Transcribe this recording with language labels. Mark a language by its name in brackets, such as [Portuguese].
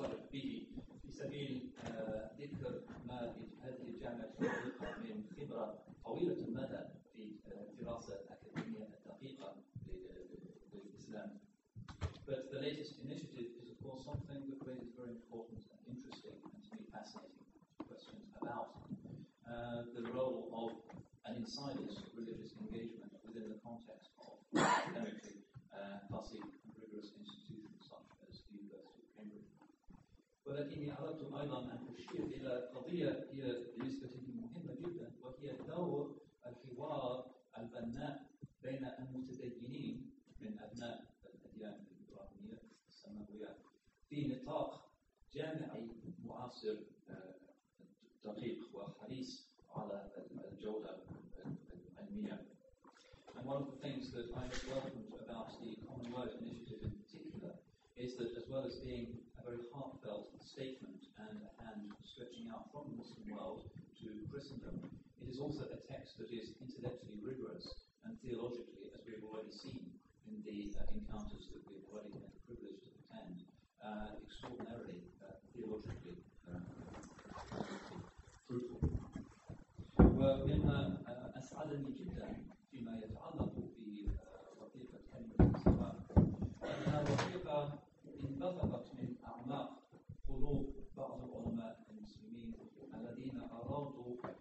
[Arabic] في سبيل ذكر ما هذه الجامعة تملكه من خبرة طويلة المدى في الدراسة الأكاديمية الدقيقة للإسلام. [English] But the latest initiative is, of course, something that raises very important and interesting and to me fascinating questions about the role of an insider's religious engagement within the context of academically fussy and rigorous institutions such as the University of Cambridge. [Arabic] ولكن أردت أيضا أن أشير إلى قضية هي بالنسبة لي مهمة جدا وهي دور الحوار البناء بين المتدينين من أبناء الأديان الإبراهيمية السماوية في نطاق جامعي معاصر دقيق وحريص على الجودة العلمية. [English] And one of the things that I have welcomed about the Common Word Initiative in particular is that as well as being a very heartfelt statement and a hand stretching out from the Muslim world to Christendom, it is also a text that is intellectually rigorous and theologically, as we've already seen in the encounters that we've already had the privilege to attend, extraordinarily theologically fruitful. [Arabic] ومما أسعدني جدا فيما يتعلق بوثيقة كلمة السماء أنها وثيقة انبثقت من أعماق قلوب بعض العلماء المسلمين الذين أرادوا